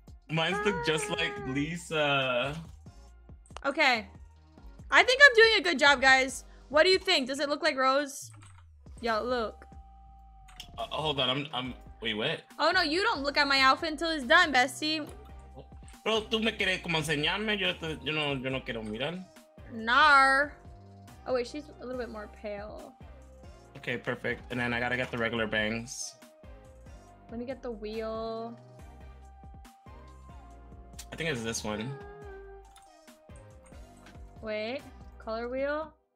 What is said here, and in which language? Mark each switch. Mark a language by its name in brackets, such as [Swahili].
[English] mine's look just like Lisa. Okay. I think I'm doing a good job, guys. What do you think? Does it look like Rose? Yeah, look. Hold on, I'm... Wait, what? Oh no, you don't look at my outfit until it's done, bestie. [Spanish] Pero tú me quieres como enseñarme, yo no quiero mirar. Nar. [English] Oh wait, she's a little bit more pale. Okay, perfect. And then I gotta get the regular bangs. Let me get the wheel. I think it's this one. Wait, color wheel.